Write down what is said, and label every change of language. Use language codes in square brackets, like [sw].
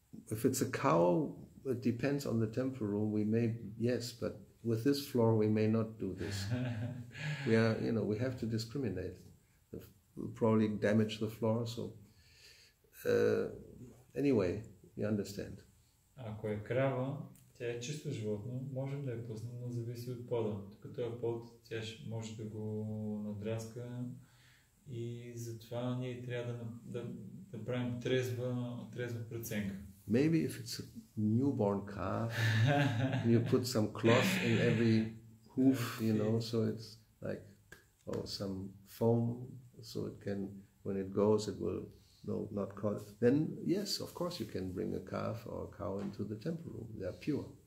[en] If it's a cow, it depends on the temple room, we may, yes, but with this floor we may not do this. We are, you know, we have to discriminate. We'll probably damage the floor, so anyway, you understand. [bg] Ако е крава, тя е чисто животно, можем да я пуснем, но зависи от пода. Като е под, тя може да го надряска и затова ние трябва да правим трезва преценка. [en] Maybe if it's a newborn calf, you put some cloth in every hoof, you know, so it's like, or some foam, so it can, when it goes, it will not cause. Then yes, of course you can bring a calf or a cow into the temple room. They are pure.